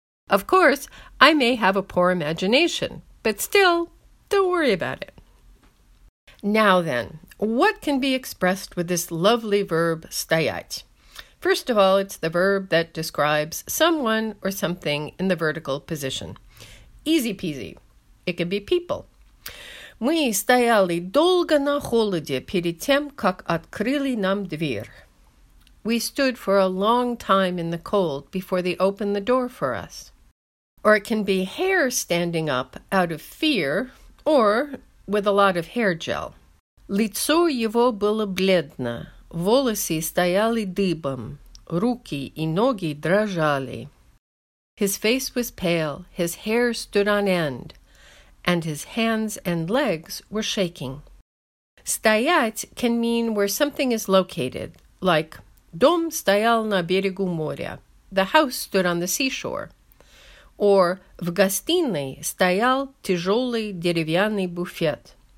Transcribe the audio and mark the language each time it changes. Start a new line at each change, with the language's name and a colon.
English: Of course, I may have a poor imagination, but still, don't worry about it. Now then, what can be expressed with this lovely verb стоять? First of all, it's the verb that describes someone or something in the vertical position. Easy peasy. It can be people.
Russian: Мы стояли долго на холоде перед тем, как открыли нам дверь.
English: We stood for a long time in the cold before they opened the door for us. Or it can be hair standing up out of fear or with a lot of hair gel.
Russian: Лицо его было бледно. Волосы стояли дыбом, руки и ноги дрожали.
English: His face was pale, his hair stood on end, and his hands and legs were shaking. Стоять can mean where something is located, like
Russian: дом стоял на берегу моря,
English: the house stood on the seashore, or
Russian: в гостиной стоял тяжелый деревянный буфет.